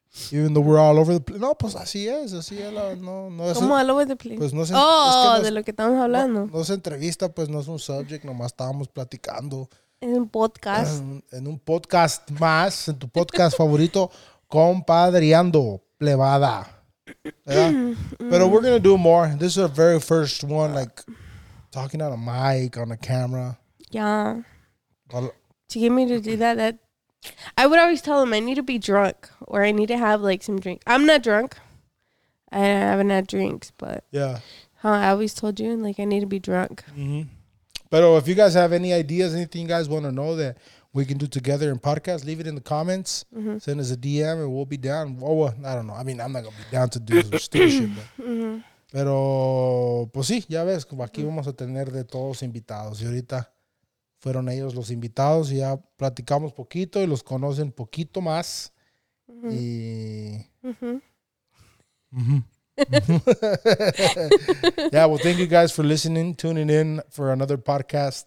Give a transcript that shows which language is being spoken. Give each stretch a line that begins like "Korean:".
English: Even though we're all over the place.
Spanish: No, pues así es la, no es. ¿Cómo
English: all over the place?
Spanish: Pues no es, oh, es que no es, de lo que estamos hablando. No, no es entrevista, pues no es un subject, nomás estábamos platicando. En un podcast. En un podcast más, en tu podcast favorito, Compadreando, plebada. Pero
English: we're going to do more. This is our very first one, like, talking on a mic, on a camera. Yeah. Well, to get me to do that, that, I would always tell them I need to be drunk or I need to have like some drink. I'm not drunk. I haven't had drinks, but yeah. Huh, I always told you, like, I need to be drunk. Mm-hmm. But if you guys have any ideas, anything you guys want to know that we can do together in podcast, leave it in the comments. Mm-hmm. Send us a DM and we'll be down. Oh, well, I don't know. I mean, I'm not going to be down to do some stupid shit. But. Mm-hmm.
Spanish: Pero, pues sí, ya ves, como aquí vamos a tener de todos invitados. Y ahorita fueron ellos los invitados y ya platicamos poquito y los conocen poquito más. Mm-hmm. Y. Mm-hmm.
English: Mm-hmm. Yeah, well, thank you guys for listening, tuning in for another podcast.